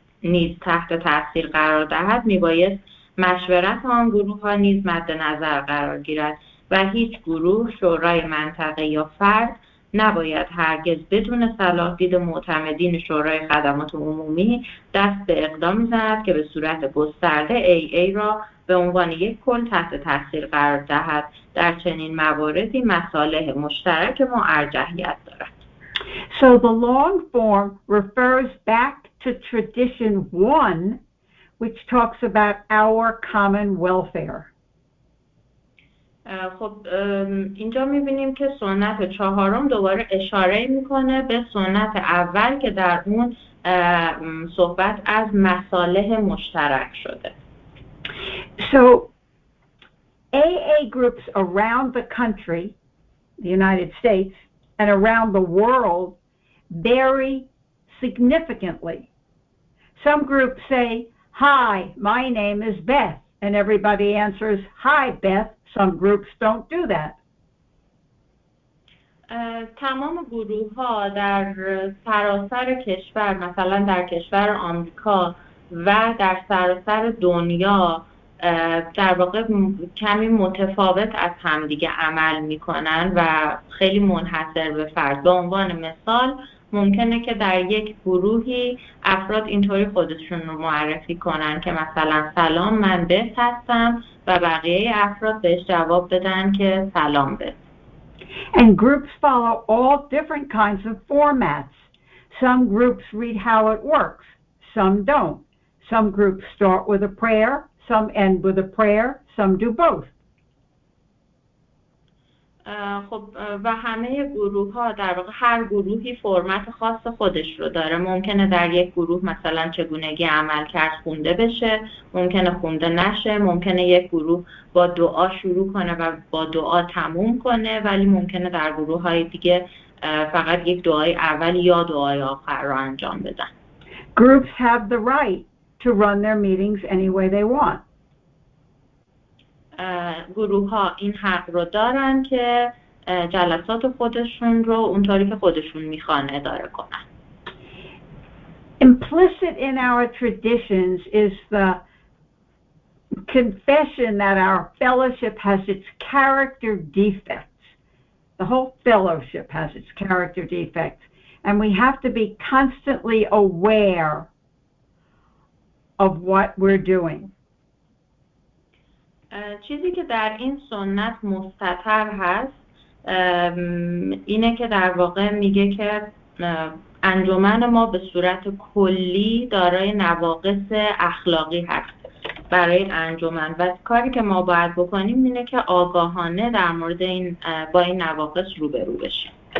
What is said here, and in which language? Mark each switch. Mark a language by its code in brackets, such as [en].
[fa] نیز تحت تاثیر قرار دهد، میبایست مشورت آن گروه ها نیز مد نظر قرار گیرد و هیچ گروه، شورای منطقه یا فرد نباید هرگز بدون صلاح دید معتمدین شورای خدمات عمومی دست به اقدام زند که به صورت گسترده AA را به عنوان یک کل تحت تاثیر قرار دهد. در چنین مواردی مصالح مشترک ما ارجحیت دارد. [en] So the long form refers back to tradition 1, which talks about our common welfare. [fa] خب اینجا می‌بینیم که سنت چهارم دوباره اشاره می‌کنه به سنت اول که در اون صحبت از مصالح مشترک شده. [en] So AA groups around the country, the United States and around the world vary significantly. Some groups say, "Hi, my name is Beth." And everybody answers, "Hi, Beth." Some groups don't do that. [fa] تمام گروه ها در سراسر کشور، مثلا در کشور آمریکا و در سراسر دنیا در واقع کمی متفاوت از همدیگه عمل میکنن و خیلی منحصر به فرد. به عنوان مثال ممکنه که در یک گروهی افراد اینطوری خودشون رو معرفی کنن که مثلا سلام من بس هستم و بقیه افراد بهش جواب بدن که سلام بس. [en] And groups follow all different kinds of formats. Some groups read how it works. Some don't. Some groups start with a prayer. some end with a prayer, some do both. [fa] خب و همه گروه ها در واقع هر گروهی فرمت خاص خودش رو داره. ممکنه در یک گروه مثلا چگونگی عمل کرد خونده بشه، ممکنه خونده نشه، ممکنه یک گروه با دعا شروع کنه و با دعا تموم کنه، ولی ممکنه در گروه های دیگه فقط یک دعای اول یا دعای آخر رو انجام بدن. [en] Groups have the right to run their meetings any way they want. [fa] گروه ها این حق رو دارن که جلسات خودشون رو اونطوری که خودشون میخوان اداره کنن. [en] Implicit in our traditions is the confession that our fellowship has its character defects. The whole fellowship has its character defects. And we have to be constantly aware of what we're doing. [fa] چیزی که در این سنت مستتر هست اینه که در واقع میگه که انجمن ما به صورت کلی دارای نواقص اخلاقی هست برای انجمن، و کاری که ما باید بکنیم اینه که آگاهانه در مورد این با این نواقص روبرو بشیم.